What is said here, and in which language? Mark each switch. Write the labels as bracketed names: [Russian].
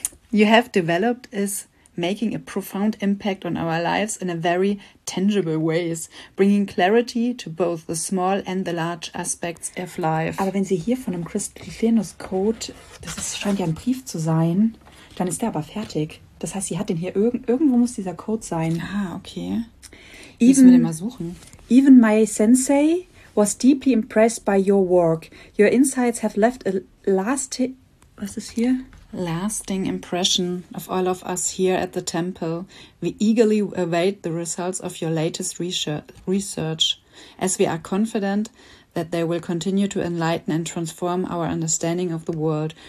[English] You have developed is making a profound impact on our lives in a very tangible ways, bringing clarity to both the small and the large aspects of life. [German] Aber wenn sie hier von einem Crystal Clearness Code, scheint ja ein Brief zu sein, dann ist der aber fertig. Das heißt, sie hat den hier, irgendwo muss dieser Code sein. Ah, okay. Müssen wir den mal suchen. [English] Even my sensei was deeply impressed by your work. Your insights have left a lasting... [German] Was ist hier? [English] Lasting impression of all of us here at the temple. We eagerly await the results of your latest research, as we are confident that they will continue to enlighten and transform our understanding of the world.